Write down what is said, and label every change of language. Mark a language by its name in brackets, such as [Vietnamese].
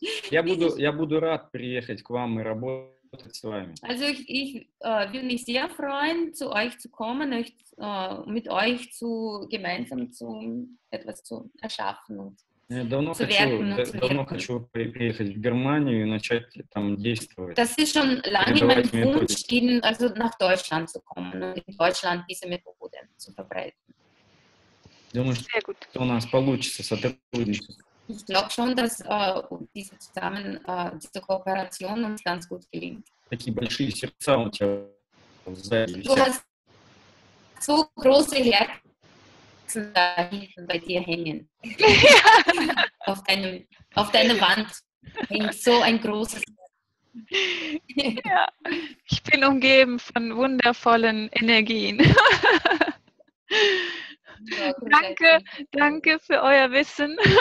[Russian] Я буду рад приехать к вам и работать с вами. [German] Also ich würde mich sehr freuen, zu euch zu kommen, euch, mit euch zu gemeinsam zu etwas zu erschaffen und [Russian] Давно хочу приехать в Германию и начать там действовать. [German] Das ist schon lange mein Wunsch, also nach Deutschland zu kommen und in Deutschland diese Methode zu verbreiten. [Russian] Думаю, [German] sehr gut. [Russian] Что у нас получится сотрудничество. [German] Ich glaube schon, dass diese Kooperation uns ganz gut gelingt. [Russian] Такие большие сердца у тебя сзади. [German] Du hast so große Herzen. Da hinten bei dir hängen. Ja. Auf deiner Wand hängt so ein großes. Ja. Ich bin umgeben von wundervollen Energien. Ja, danke, danke für euer Wissen.